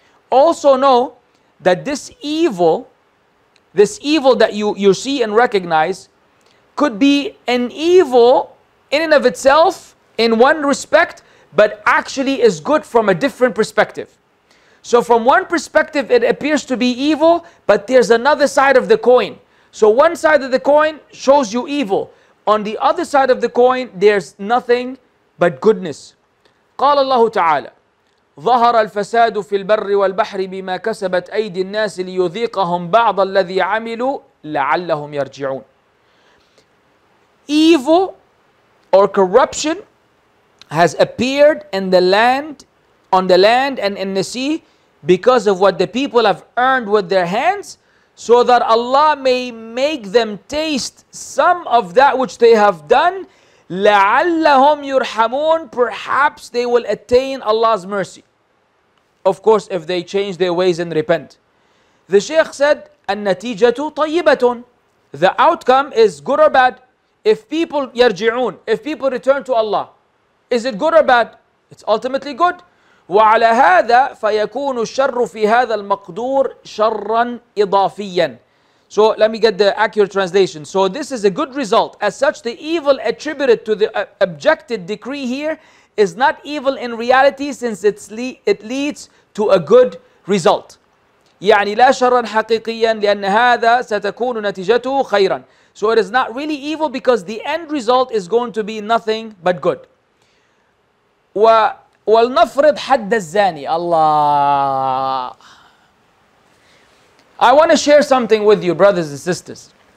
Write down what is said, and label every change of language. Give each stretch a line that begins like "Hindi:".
English: Also know that this evil that you see and recognize could be an evil in and of itself in one respect, but actually is good from a different perspective. So from one perspective, it appears to be evil, but there's another side of the coin. So one side of the coin shows you evil. On the other side of the coin, there's nothing but goodness.
Arabic: قال الله تعالى ظهر الفساد في البر والبحر بما كسبت أيدي الناس ليذيقهم بعض الذي عملوا لعلهم يرجعون.
English: Evil or corruption has appeared in the land, on the land and in the sea, because of what the people have earned with their hands, so that Allah may make them taste some of that which they have done.
Arabic: لعلهم يرحمون.
English: Perhaps they will attain Allah's mercy. Of course, if they change their ways and repent. The Shaykh said,
Arabic: النتيجة طيبة.
English: The outcome is good or bad. If people يرجعون, if people return to Allah, is it good or bad? It's ultimately good.
Arabic: وعلى هذا فيكون الشر في هذا المقدور شرا إضافيا.
English: So let me get the accurate translation. So this is a good result. As such, the evil attributed to the objected decree here is not evil in reality, since it leads to a good result.
Arabic: يعني لا شرا حقيقيا لأن هذا ستكون نتيجته خيرا.
English: So it is not really evil because the end result is going to be nothing but good.
Arabic: ولنفرض حد الزاني. الله.
English: I want to share something with you, brothers and sisters.